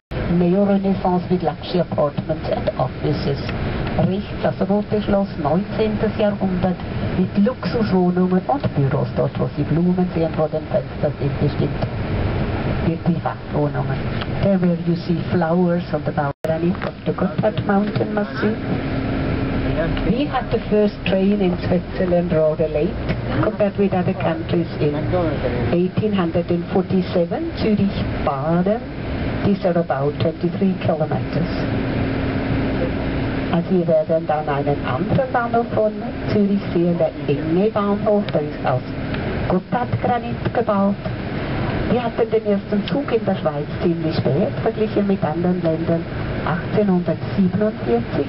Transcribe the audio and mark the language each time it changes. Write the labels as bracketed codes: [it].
[en] Neo-Renaissance with luxury apartments and offices. [de] Rechts das Rote Schloss, 19. Jahrhundert, mit Luxuswohnungen und Büros. Dort, wo Sie Blumen sehen, vor den Fenstern sind bestimmt die Privatwohnungen. [en] There where you see flowers on the balcony of the Gotthard Mountain Massif. We had the first train in Switzerland rather late compared with other countries in 1847, Zürich-Baden. These are about 23 kilometers. [de] Also wir werden dann einen anderen Bahnhof von Zürich sehen, der enge Bahnhof, der ist aus Gotthardgranit gebaut. Wir hatten den ersten Zug in der Schweiz ziemlich spät, verglichen mit anderen Ländern, 1847.